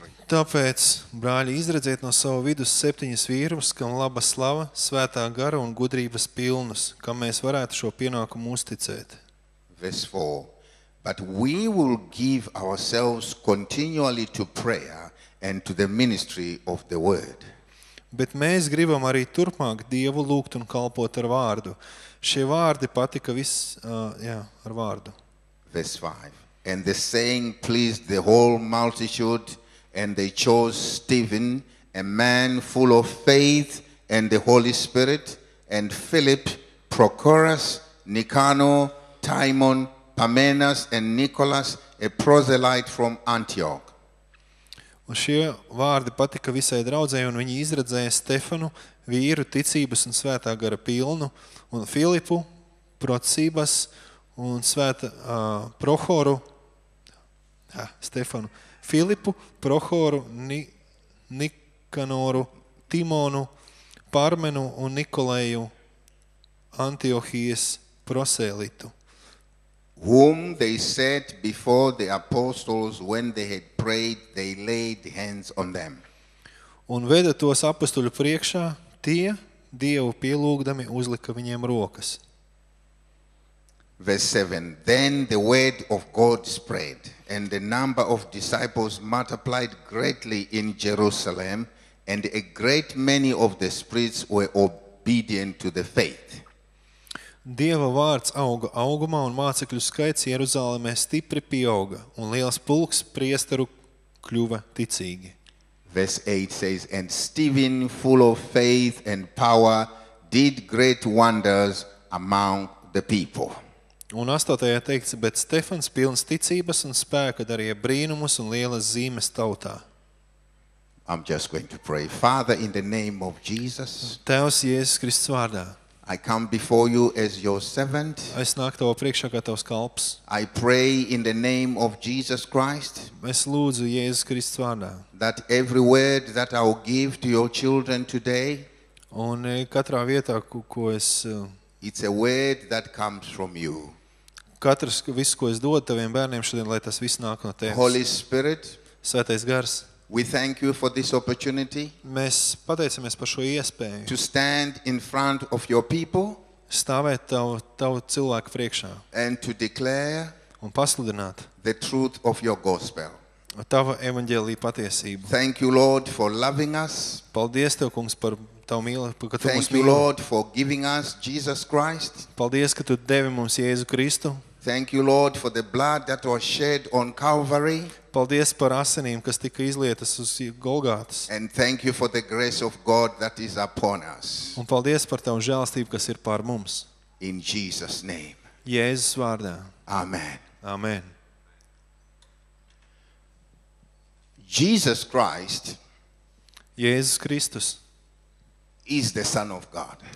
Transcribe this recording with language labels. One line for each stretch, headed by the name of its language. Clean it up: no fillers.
Latvian: Tāpēc, brāļi, izredziet no savu vidus 7 vīrus, kam laba slava, svētā gara un gudrības pilnus, kam mēs varētu šo pienākumu uzticēt.
English: Verse 4. But we will give ourselves continually to prayer and to the ministry of the word.
Latvian: Bet mēs gribam arī turpmāk Dievu lūgt un kalpot ar vārdu. Šie vārdi patika viss, ar vārdu.
English: Verse 5. And the saying pleased the whole multitude, and they chose Stephen, a man full of faith and the Holy Spirit, and Philip, Prochorus, Nicanor, Timon, Parmenas, and Nicholas, a proselyte from Antioch.
Latvian: Un šie vārdi patika visai draudzei, un viņi izredzēja Stefanu, vīru, ticības un svētā gara pilnu, un Filipu, procības un svēta Prochoru, Stefanu, Filipu, Prochoru, Nikanoru, Timonu, Parmenu un Nikolēju Antiohijas prosēlītu.
English: Whom they set before the apostles when they had prayed, they laid hands on them.
Latvian: Un veda tos apostuļu priekšā, tie Dievu pielūgdami uzlika viņiem rokas.
English: Verse 7, then the word of God spread, and the number of disciples multiplied greatly in Jerusalem, and a great many of the spirits were obedient to the faith.
Latvian: Dieva vārds auga augumā, un mācekļu skaits Jeruzalemē stipri pieauga, un liels pulks priesteru kļuva ticīgi.
English: Verse 8 says, and Stephen, full of faith and power, did great wonders among the people.
Latvian: Un astotajā teikts, bet Stefans pilns ticības un spēka darīja brīnumus un lielas zīmes tautā.
English: I'm just going to pray. Father, in the name of Jesus.
Latvian: Tevs Jēzus Kristus vārdā.
English: I come before you as your servant.
Latvian: Es nāku tavu priekšā kā tavs kalps.
English: I pray in the name of Jesus Christ.
Latvian: Es lūdzu Jēzus Kristus vārdā.
English: That every word that I will give to your children today.
Latvian: Un katrā vietā, ko es...
English: It's a word that comes from you.
Latvian: Katrs, viss, ko es dodu taviem bērniem šodien, lai tas viss nāk no tevis.
English: Holy Spirit.
Latvian: Svētais gars.
English: We thank you for this opportunity.
Latvian: Mēs pateicamies par šo iespēju.
English: To stand in front of your people.
Latvian: Stāvēt tavu cilvēku priekšā.
English: And to declare.
Latvian: Un pasludināt.
English: The truth of your gospel.
Latvian: Tava evaņģēlija patiesību.
English: Thank you, Lord, for loving us.
Latvian: Paldies tev, Kungs, par tavu mīlestību, ka tu mūs mīli.
English: Thank you, Lord, for giving us Jesus Christ.
Latvian: Paldies, ka tu devi mums Jēzu Kristu.
English: Thank you, Lord, for the blood that was shed on Calvary.
Latvian: Paldies par asinīm, kas tika izlietas uz Golgātas.
English: And thank you for the grace of God that is upon us.
Latvian: Un paldies par tavu žēlstību, kas ir pār mums.
English: In Jesus name.
Latvian: Jēzus vārdā. Amen. Amen.
English: Jesus Christ.
Latvian: Jēzus Kristus.
English: Is the Son of God.